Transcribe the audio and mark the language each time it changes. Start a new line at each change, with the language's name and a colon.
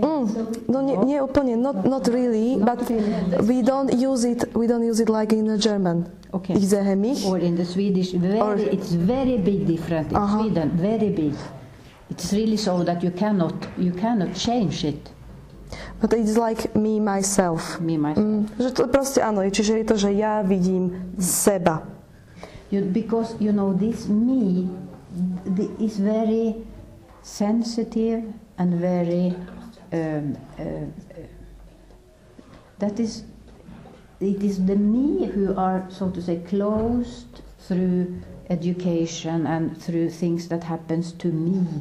English: Mm. So, no,
Slovak: nie úplne.
English: Not really, not but really. We don't use it like in German. Okay.
German: Ich sehe mich.
English: Or in the Swedish. It's very big different in Sweden. Very big. It's really so that you cannot change it. But it's like me myself. Me myself. Mm,
Slovak: že to proste áno, čiže je to, že ja vidím seba.
English: Because you know this me is very sensitive and very it is the me who are so to say closed through education and through things that happens to me.